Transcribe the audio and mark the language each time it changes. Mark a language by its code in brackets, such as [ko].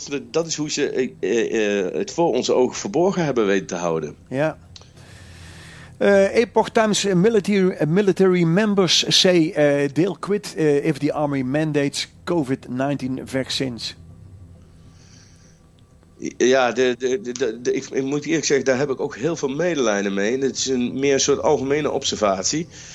[nl] Dat is hoe ze het voor onze ogen verborgen hebben weten te houden. Ja. [en] Epoch Times military members say they'll quit if the army mandates COVID-19 vaccines. [nl] Ja, ik moet eerlijk zeggen, daar heb ik ook heel veel medelijden mee. Het is meer een soort algemene observatie.